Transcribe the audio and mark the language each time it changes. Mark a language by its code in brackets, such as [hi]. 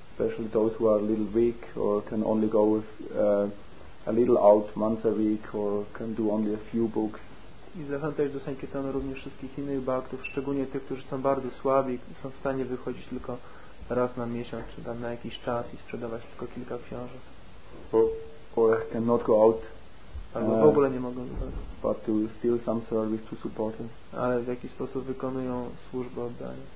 [en] Especially those who are a little weak or can only go with, a little out once a week or can do only a few books. [pl] I zachęcać do sankirtanu również wszystkich innych bhaktów, szczególnie tych, którzy są bardzo słabi, są w stanie wychodzić tylko raz na miesiąc czy tam na jakiś czas i sprzedawać tylko kilka książek. [en] Or cannot go out. [pl] Albo w ogóle nie mogą wychodzić. [en] But to still some service to support them. [pl] Ale w jakiś sposób wykonują służbę oddania.